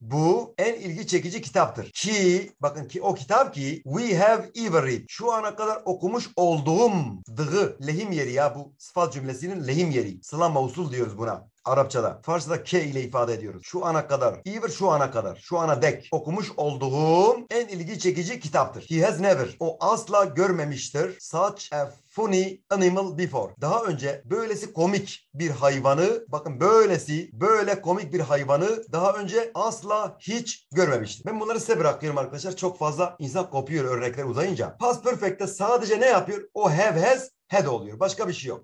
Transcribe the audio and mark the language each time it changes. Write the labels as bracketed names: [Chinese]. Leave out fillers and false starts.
[Turkish] Bu en ilgi çekici kitaptır. Ki, bakın ki o kitap ki, [English] we have ever read. [Turkish] Şu ana kadar okumuş olduğum dığı, lehim yeri ya bu sıfat cümlesinin lehim yeri. Sıla mausul diyoruz buna. Arapçada. Farsça'da ke ile ifade ediyoruz. Şu ana kadar. Ever şu ana kadar. Şu ana dek. Okumuş olduğum en ilgi çekici kitaptır. [English] He has never. [Turkish] O asla görmemiştir. [English] Such a funny animal before. [Turkish] Daha önce böylesi komik bir hayvanı, bakın böylesi, böyle komik bir hayvanı daha önce asla hiç görmemiştim. Ben bunları size bırakıyorum arkadaşlar. Çok fazla insan kopuyor örnekler uzayınca. Past Perfect'te sadece ne yapıyor? O have has had oluyor. Başka bir şey yok.